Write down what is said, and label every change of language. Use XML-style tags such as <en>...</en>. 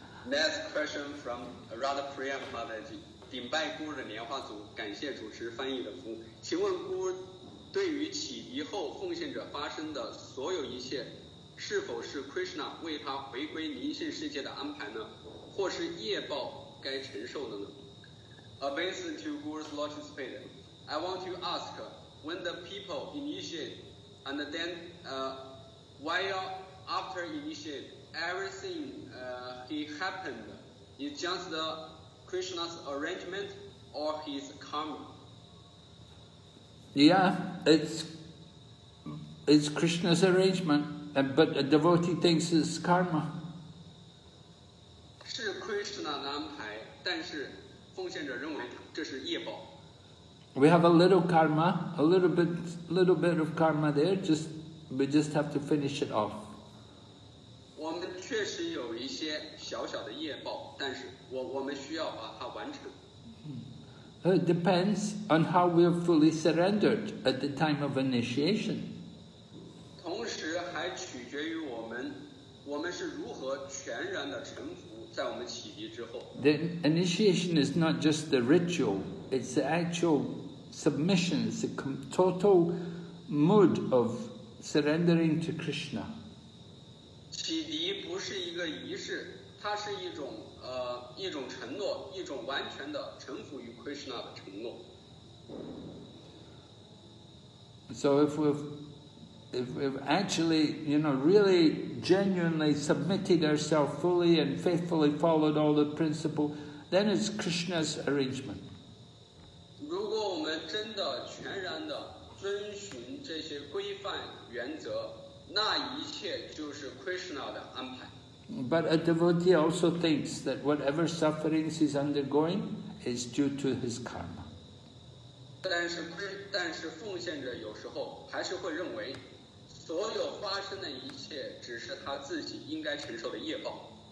<en>Next question from Radha Priyam Mataji，</en> <zh>顶拜孤儿的莲花组，感谢主持翻译的服务。请问孤儿对于启迪后奉献者发生的所有一切，是否是 Krishna 为他回归灵性世界的安排呢？或是业报？该承受的呢</zh> <en>？Abasing to Guru's lotus feet, I want to ask when the people initiate, and then while after initiate, everything he happened is just the Krishna's arrangement or his karma? Yeah, it's Krishna's arrangement, but a devotee thinks it's karma.</en> <zh>是 Krishna 的安排。但是奉献者认为这是业报。</zh> <en>We have a little karma, a little bit of karma there. We just have to finish it off.</en> <zh>我们确实有一些小小的业报，但是我们需要把它完成。</zh> <en>It depends on how we are fully surrendered at the time of initiation.</en> <zh>同时还取决于我们是如何全然的臣服。</zh> <en>The initiation is not just the ritual, it's the actual submission, it's the total mood of surrendering to Krishna.</en> <zh>启迪不是一个仪式，它是一种承诺，一种完全的臣服于 Krishna 的承诺。</zh> <en>So if we've actually, you know, really genuinely submitted ourselves fully and faithfully followed all the principle, then it's Krishna's arrangement.</en> <zh>如果我们真的全然的遵循这些规范原则，那一切就是 Krishna 的安排。</zh> <en>But a devotee also thinks that whatever sufferings he's undergoing is due to his karma.</en> <zh>但是奉献者有时候还是会认为所有发生的一切只是他自己应该承受的业报。</zh>